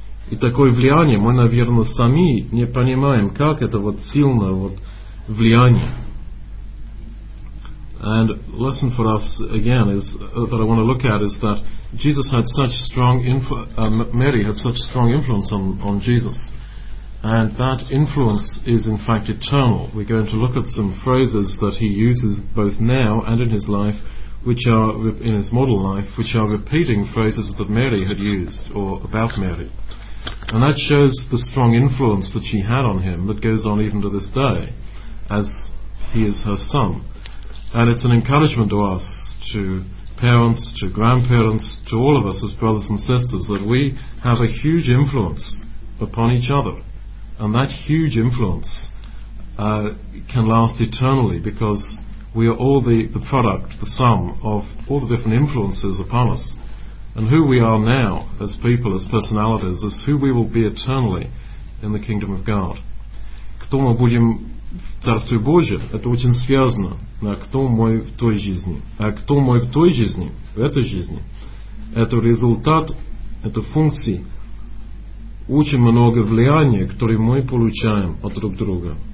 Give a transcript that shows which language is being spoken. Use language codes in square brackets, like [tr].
[ru] И такое влияние мы, наверное, сами не понимаем, как это вот сильное вот влияние. [en] And lesson for us again is that I want to look at is that Jesus had such strong Mary had such strong influence on Jesus, and that influence is in fact eternal. We're going to look at some phrases that he uses both now and in his life, which are in his mortal life, which are repeating phrases that Mary had used or about Mary, and that shows the strong influence that she had on him that goes on even to this day, as he is her son. And it's an encouragement to us, to parents, to grandparents, to all of us as brothers and sisters, that we have a huge influence upon each other. And that huge influence can last eternally, because we are all the product, the sum of all the different influences upon us. And who we are now as people, as personalities, is who we will be eternally in the kingdom of God. [ru] Кто мы будем в Царстве Божьем, это очень связано. А кто мой в той жизни? А кто мой в той жизни, в этой жизни? Это результат, это функции очень много влияния, которые мы получаем от друг друга.